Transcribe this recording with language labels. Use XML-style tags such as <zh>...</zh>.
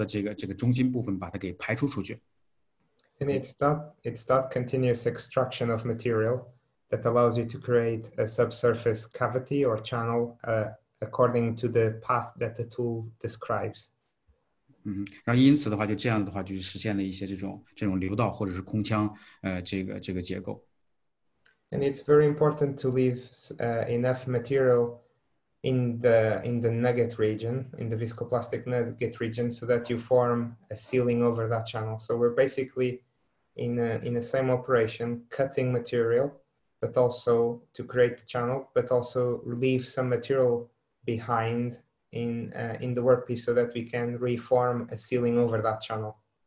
<zh>然后在这个页面的话，就给大家就介绍一下，实际上这个工作的这个技术的工作原理。它基本上前面咱们也不停的提到，它整个的话就是跟搅拌摩擦焊是十分类似的。然后的话，大家在右边的这个原理图这里就可以看到，它实际上整个的话是做了两个动作，一个的话就是对这个材料进行搅拌，然后同时它还把一部分材料在可控制的这个情况之下，从这个材料的这个中心部分把它给排除出去。</zh> <en>And it's that continuous extraction of material that allows you to create a subsurface cavity or channel according to the path that the tool describes.</en> <zh>然后因此的话，就这样的话，就是实现了一些这种流道或者是空腔，这个结构。</zh> <en>And it's very important to leave enough material in the nugget region, in the viscoplastic nugget region, so that you form a ceiling over that channel. So we're basically in the same operation, cutting material, but also to create the channel, but also leave some material behind in the workpiece so that we can reform a ceiling over that channel.</en>